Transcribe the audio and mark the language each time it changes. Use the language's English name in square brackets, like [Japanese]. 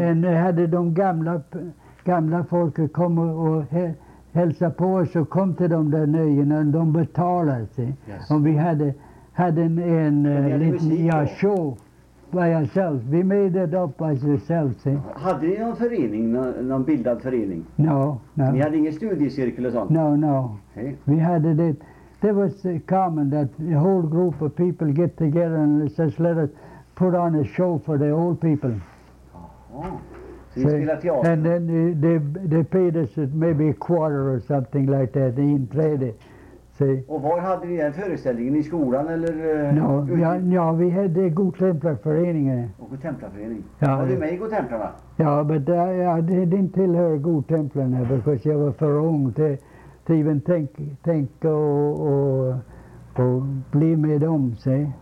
[Swedish] Ja, nu hade de gamla folket kom och hälsa på oss och kom till de där nöjena och de betalade sig. [English] Yes. [Swedish] Och vi hade en liten show [English] by ourselves. We made it up by ourselves. [Swedish] Hade ni någon förening, någon bildad förening? [English] No. [Swedish] Ni hade ingen studiecirkel och sånt? [English] No. Okay. [Swedish] Vi hade det. [English] It was common that a whole group of people get together and says, let us put on a show for the old people. Oh. So and then they paid us maybe a quarter or something like that, the [Swedish] inträde. Och var hade ni den föreställningen? I skolan eller? Ja, vi hade Godtemplarföreningen. Godtemplarförening? Ja. Var du med i Godtemplarna? Ja, men jag [English] didn't [Swedish] tillhör Godtemplarna, [English] because [Swedish] jag var för ung till... Till [English] even [Swedish] tänka och bli med dem, se.